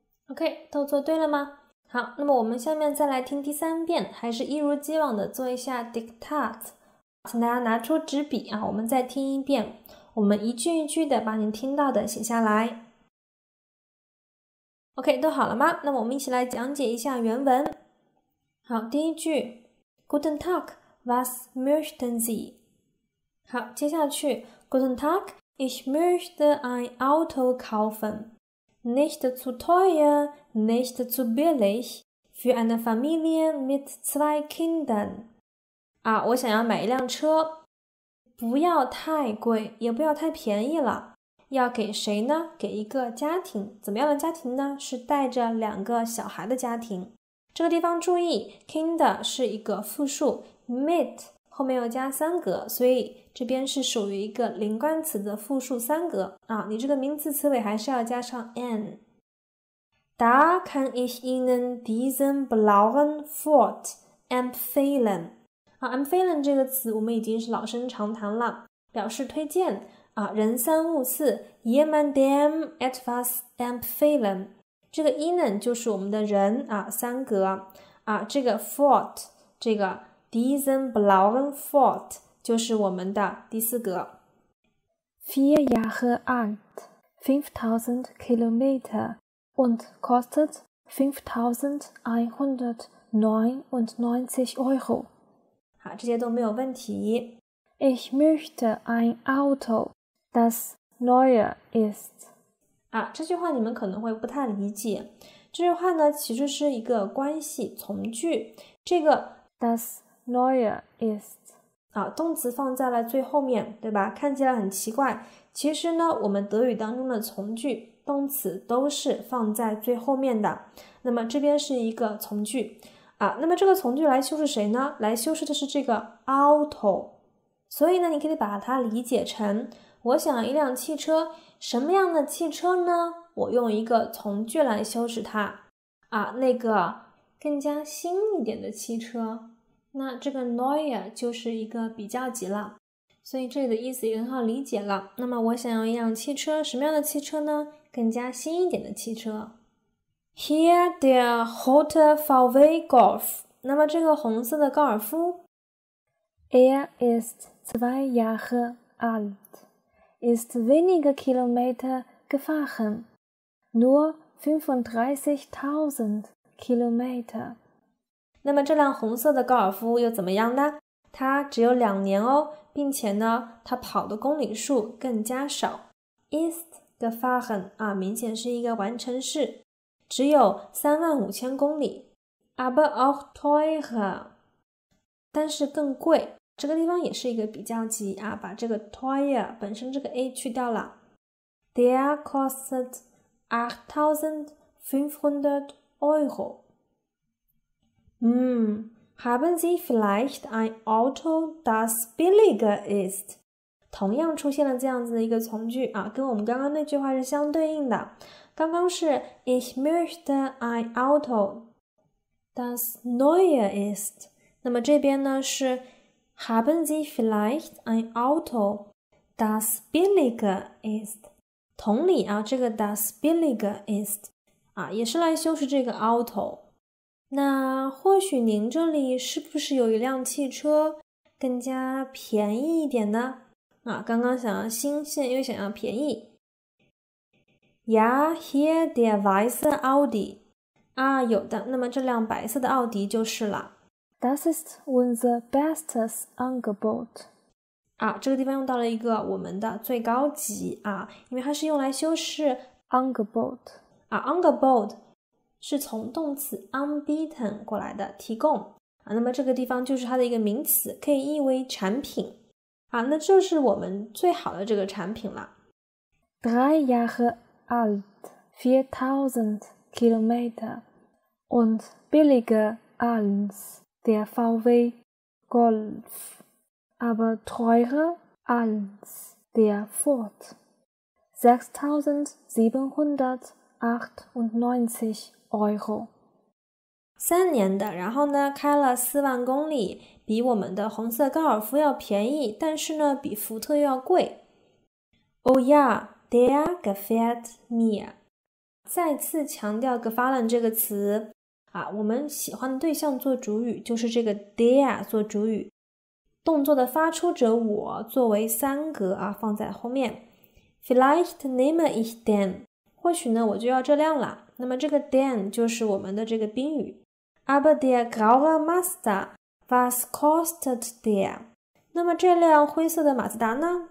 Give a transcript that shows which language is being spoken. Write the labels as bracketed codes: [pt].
[zh] OK， 都做对了吗？好，那么我们下面再来听第三遍，还是一如既往的做一下 diktat， 请大家拿出纸笔啊，我们再听一遍，我们一句一句的把您听到的写下来。 OK， 都好了吗？那么我们一起来讲解一下原文。好，第一句 [de] ，Guten Tag， was möchten Sie？ [zh] 好，接下去 [de] ，Guten Tag， ich möchte ein Auto kaufen。 Nicht zu teuer, nicht zu billig für eine Familie mit zwei Kindern. [zh] 啊，我想要买一辆车，不要太贵，也不要太便宜了。要给谁呢？给一个家庭，怎么样的家庭呢？是带着两个小孩的家庭。这个地方注意 ，Kinder 是一个复数 ，mit 后面又加三格，所以这边是属于一个零冠词的复数三格啊，你这个名词词尾还是要加上 n。 [de] Da kann ich Ihnen diesen blauen Ford empfehlen。 [zh] 啊 ，empfehlen 这个词我们已经是老生常谈了，表示推荐啊，人三物四 ， [de] jemandem etwas empfehlen。 [zh] 这个 Ihnen 就是我们的人啊，三格啊，这个 Ford 这个 [de] diesen blauen Ford。 [zh] 就是我们的第四格。 [de] Vier Jahre alt, 5000 Kilometer und kostet 5,199 Euro. [zh] 好，这些都没有问题。 [de] Ich möchte ein Auto, das neuer ist. [zh] 啊，这句话你们可能会不太理解。这句话呢，其实是一个关系从句。这个 [de] das neuer ist。 [zh] 啊，动词放在了最后面，对吧？看起来很奇怪。其实呢，我们德语当中的从句动词都是放在最后面的。那么这边是一个从句啊，那么这个从句来修饰谁呢？来修饰的是这个 auto。所以呢，你可以把它理解成：我想一辆汽车，什么样的汽车呢？我用一个从句来修饰它啊，那个更加新一点的汽车。那这个 neuer 就是一个比较级了，所以这里的意思也很好理解了。那么我想要一辆汽车，什么样的汽车呢？更加新一点的汽车。 [de] Here der rote VW Golf。 [zh] 那么这个红色的高尔夫。 [de] Er ist zwei Jahre alt, ist wenige Kilometer gefahren, nur 35,000 km。 [zh] 那么这辆红色的高尔夫又怎么样呢？它只有两年哦，并且呢，它跑的公里数更加少。 [de] Ist gefahren [zh] 啊，明显是一个完成式，只有35,000公里。 [de] Aber auch teurer， [zh] 但是更贵。这个地方也是一个比较级啊，把这个 teuer 本身这个 a 去掉了。 [de] Der kostet 8,500 Euro。 Haben Sie vielleicht ein Auto, das billiger ist? [zh] 同样出现了这样子的一个从句啊，跟我们刚刚那句话是相对应的。刚刚是 [de] Ich möchte ein Auto, das neuer ist. 那么这边呢是 Haben Sie vielleicht ein Auto, das billiger ist? [zh] 同理啊，这个 [de] das billiger ist [zh] 啊，也是来修饰这个 auto。那或许您这里是不是有一辆汽车更加便宜一点呢？啊，刚刚想要新，现在又想要便宜。 [de] Ja, hier der weiße Audi。 [zh] 啊，有的，那么这辆白色的奥迪就是了。 [de] Das ist unser bestes Angebot。 [zh] 啊，这个地方用到了一个我们的最高级啊，因为它是用来修饰 [de] Angebot。啊 ，Angebot。 [zh] 是从动词 unbeaten 过来的提供、啊、那么这个地方就是它的一个名词，可以译为产品、啊、那这是我们最好的这个产品了。 [de] Drei Jahre alt 4000 Kilometer und billiger als der VW Golf aber teurer als der Ford 6798Euro. [zh] 三年的，然后呢开了40,000公里，比我们的红色高尔夫要便宜，但是呢比福特要贵。 [en] Oh yeah, [de] der gefällt mir. [zh] 再次强调 gefallen 这个词啊，我们喜欢的对象做主语就是这个 der 做主语，动作的发出者我作为三格啊放在后面。 [de] Vielleicht nehme ich den. [zh] 或许呢我就要这辆了。那么这个 den 就是我们的这个宾语。 [de] Aber der graue Mazda, was kostet der? [zh] 那么这辆灰色的马自达呢？